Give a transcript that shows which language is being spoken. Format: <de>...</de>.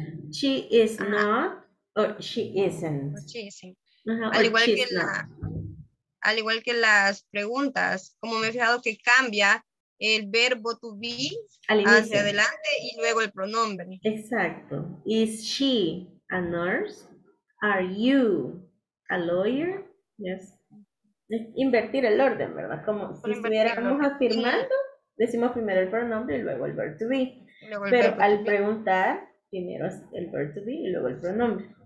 <en>She is not, uh-huh, or she isn't. She isn't. Uh-huh,</en> <es>al igual que al igual que las preguntas, como me he fijado que cambia el verbo to be hacia adelante y luego el pronombre. Exacto.</es> <en>Is she a nurse? Are you a lawyer? Yes.</en> <es>invertir el orden, ¿verdad? Como si estuviéramos afirmando, decimos primero el pronombre y luego el verb to be. Pero al preguntar, primero el verb to be y luego el pronombre.</es>